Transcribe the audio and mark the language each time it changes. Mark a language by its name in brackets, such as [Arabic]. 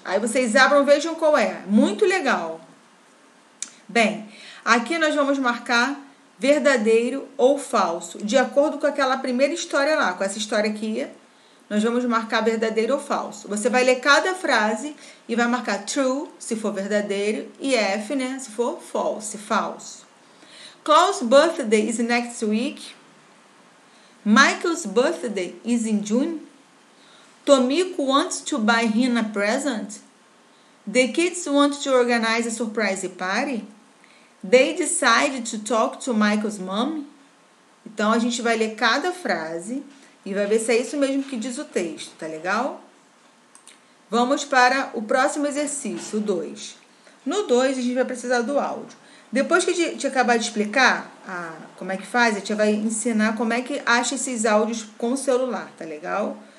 [Portuguese] Aí vocês abram, vejam qual é. Muito legal. Bem, aqui nós vamos marcar verdadeiro ou falso. De acordo com aquela primeira história lá, com essa história aqui, nós vamos marcar verdadeiro ou falso. Você vai ler cada frase e vai marcar true, se for verdadeiro, e F, né, se for false, falso. [English] Klaus' birthday is next week. Michael's birthday is in June. Tomiko wants to buy him a present. The kids want to organize a surprise party. They decide to talk to Michael's mom. [Portuguese] Então, a gente vai ler cada frase e vai ver se é isso mesmo que diz o texto, tá legal? Vamos para o próximo exercício, o 2. No 2, a gente vai precisar do áudio. Depois que a gente acabar de explicar como é que faz, a gente vai ensinar como é que acha esses áudios com o celular, tá legal?